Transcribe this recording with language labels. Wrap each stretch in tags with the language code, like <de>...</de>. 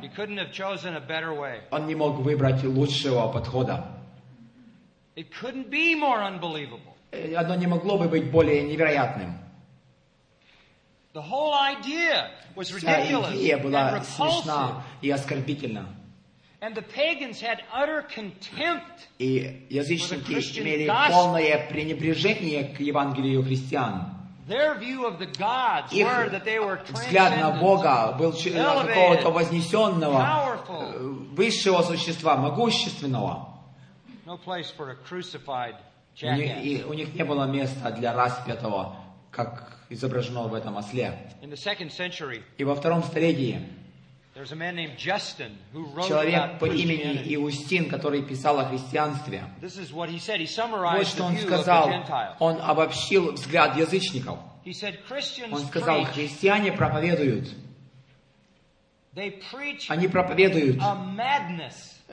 <en>he couldn't have chosen a better way.</en> <ru>Он не мог выбрать лучшего подхода.</ru> <en>It couldn't be more unbelievable.</en> <ru>Оно не могло бы быть более невероятным.</ru> <en>The whole idea was ridiculous.</en> <ru>Вся идея была смешна и оскорбительна.</ru> <en>And the pagans had utter contempt for the Christian gospel.</en> <ru>И язычники имели полное пренебрежение к Евангелию христиан.</ru> <en>Their view of the gods were that they were transcendent.</en> <ru>Взгляд на Бога был какого-то вознесенного, высшего существа, могущественного.</ru> <en>No place for a crucified jackass.</en> <ru>У них не было места для распятого, как изображено в этом осле.</ru> <en>In the second century.</en> <ru>И во втором столетии.</ru> <en>There's a man named Justin who wrote about</en> <ru>человек по имени Иустин, который писал о христианстве.</ru> <en>This is what he said. He summarized</en> <ru>вот что он сказал. Он обобщил взгляд язычников.</ru> <en>He said,</en> <ru>он сказал, христиане проповедуют.</ru> <en>They preach</en> <ru>они проповедуют</ru> <en>a madness.</en>